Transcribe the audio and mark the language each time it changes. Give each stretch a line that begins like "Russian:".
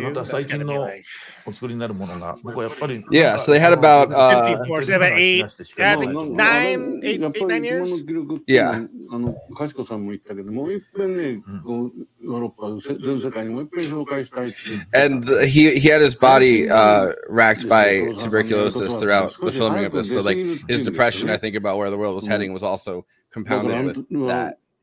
Japanese: でまた最近のお作りになるものが、僕はやっぱり、
English: Yeah, so they had about, 54, so they had about 8, yeah, I think 9 years? Yeah.
Japanese: あの、かしこさんも言ったけど、もう一遍ね、ヨーロッパ、全世界にもう一遍紹介したいって。
English: And he had his body racked by tuberculosis throughout the filming of this, so like, his depression, I think, about where the world was heading was also compounded with that.